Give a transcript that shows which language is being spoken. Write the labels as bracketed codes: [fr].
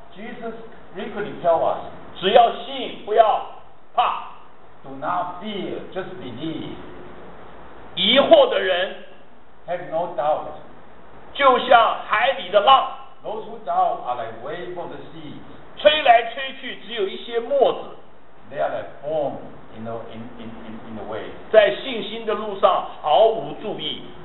[en] Jesus frequently tell us. [zh] 只要信，不要怕。 [en] Do not fear, just believe. [zh] 疑惑的人 [en] ，have no doubt. [zh] 就像海里的浪 [en] ，those who doubt are like waves of the sea. [zh] 吹来吹去，只有一些沫子。 [en] They are like foam in the wave. [zh] 在信心的路上毫无注意。